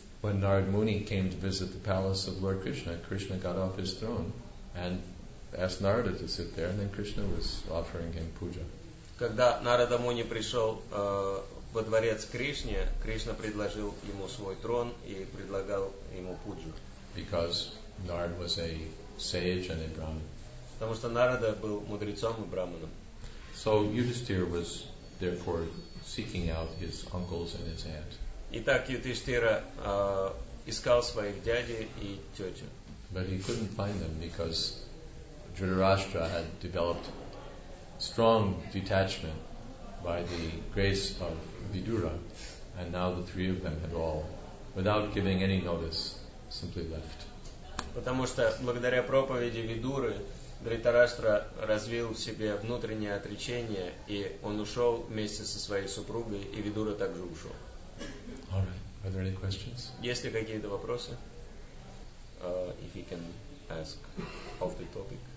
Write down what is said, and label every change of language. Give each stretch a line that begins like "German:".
English: When Narad Muni came to visit the palace of Lord Krishna, Krishna got off his throne and asked Narada to sit there, and then Krishna was offering him puja.
Russian: Когда Нарада Муни пришел во дворец Кришне, Кришна предложил ему свой трон и предлагал ему пуджу.
English: Because Narada was a sage and a brahmin.
Russian: Потому что Нарада был мудрецом и брахманом.
English: So Yudhishthira was therefore seeking out his uncles and his aunt.
Russian: Итак, Юдхиштхира искал своих дядей и тетю.
English: But he couldn't find them because Dhritarashtra had developed strong detachment by the grace of Vidura, and now the three of them had all, without giving any notice, simply left.
Russian: Потому что благодаря проповеди Видуры Дхритараштра развил в себе внутреннее отречение, и он ушел вместе со своей супругой, и Видура также ушел.
English: All right. Are there any questions?
Russian: Есть ли какие-то вопросы?
English: If you can ask off the topic.